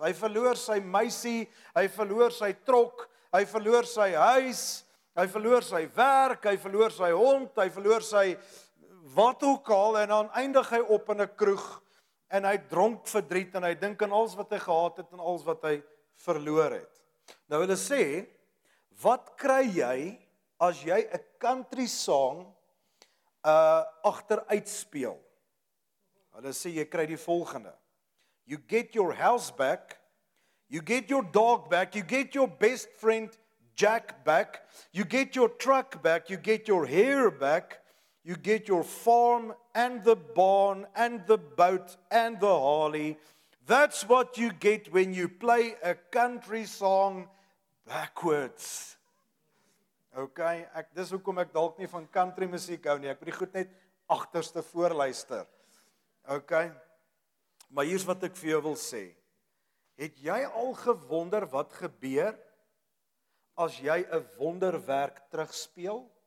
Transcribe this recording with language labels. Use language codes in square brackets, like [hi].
[af] Hy verloor sy meisie, hy verloor sy trok, hy verloor sy huis, hy verloor sy werk, hy verloor sy hond, hy verloor sy wat ook al en dan eindig hy op in 'n kroeg en hy dronk verdriet en hy dink aan alles wat hy gehad het en alles wat hy verloor het. Nou hulle sê, wat kry jy as jy 'n country song agteruit speel? Hulle sê jy kry die volgende. [en] You get your house back, you get your dog back, you get your best friend Jack back, you get your truck back, you get your hair back, you get your farm and the barn and the boat and the Harley. That's what you get when you play a country song backwards. [af] OK, dis hoekom ek dalk nie van country musiek hou nie. Ek moet die goed net agterste voorluister. OK. Maar hier's wat ek vir jou wil sê. Het jy al gewonder wat gebeur as jy 'n wonderwerk terugspeel?